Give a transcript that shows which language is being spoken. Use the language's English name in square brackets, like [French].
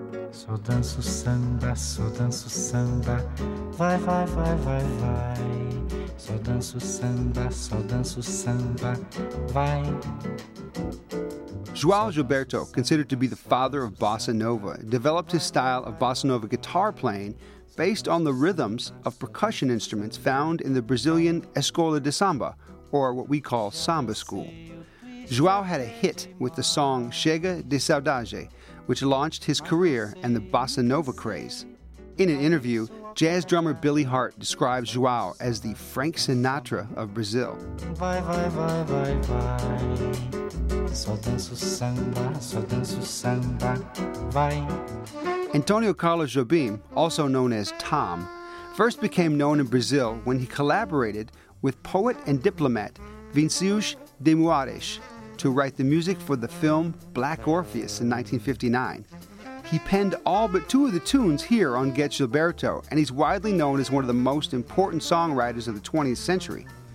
[Portuguese] Só danço samba, só danço samba. Vai, vai, vai, vai, vai. Só danço samba, só danço samba. Vai. [English] João Gilberto, considered to be the father of bossa nova, developed his style of bossa nova guitar playing based on the rhythms of percussion instruments found in the Brazilian Escola de Samba, or what we call Samba School. João had a hit with the song Chega de Saudade, which launched his career and the bossa nova craze. In an interview, jazz drummer Billy Hart describes João as the Frank Sinatra of Brazil. [Portuguese] Vai, vai, vai, vai, vai. Só danço samba, só danço samba, vai. [English] Antônio Carlos Jobim, also known as Tom, first became known in Brazil when he collaborated with poet and diplomat Vinicius de Moraes to write the music for the film Black Orpheus in 1959. He penned all but two of the tunes here on Get Gilberto, and he's widely known as one of the most important songwriters of the 20th century.